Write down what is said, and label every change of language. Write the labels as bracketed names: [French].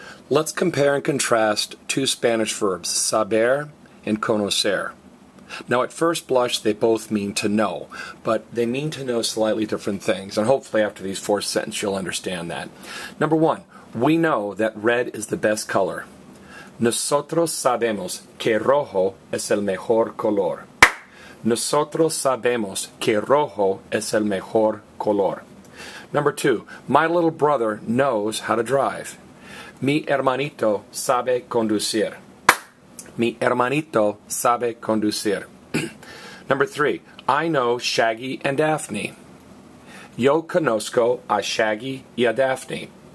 [English] Let's compare and contrast two Spanish verbs, saber and conocer. Now, at first blush, they both mean to know, but they mean to know slightly different things, and hopefully after these four sentences, you'll understand that. Number one, we know that red is the best color. [Spanish] Nosotros sabemos que rojo es el mejor color. Nosotros sabemos que rojo es el mejor color. [English] Number two, my little brother knows how to drive. [Spanish] Mi hermanito sabe conducir. Mi hermanito sabe conducir. [English] Number three, I know Shaggy and Daphne. [Spanish] Yo conozco a Shaggy y a Daphne.